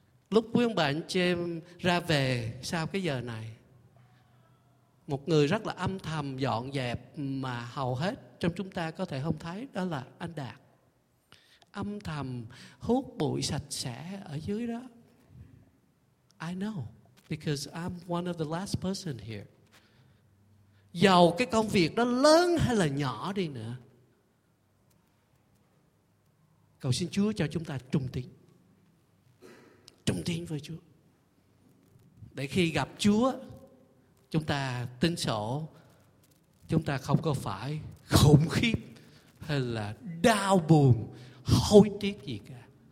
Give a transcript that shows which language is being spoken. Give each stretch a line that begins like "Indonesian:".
Vietnamese: Lúc quý ông bà anh chị em ra về sau cái giờ này, một người rất là âm thầm dọn dẹp mà hầu hết trong chúng ta có thể không thấy, đó là anh Đạt. Âm thầm hút bụi sạch sẽ ở dưới đó.
English: I know, because I'm one of the last person here.
Vietnamese: Dầu cái công việc đó lớn hay là nhỏ đi nữa, cầu xin Chúa cho chúng ta trung tín. Trung tín với Chúa. Để khi gặp Chúa, chúng ta tin sổ, chúng ta không có phải khủng khiếp hay là đau buồn, hối tiếc gì cả.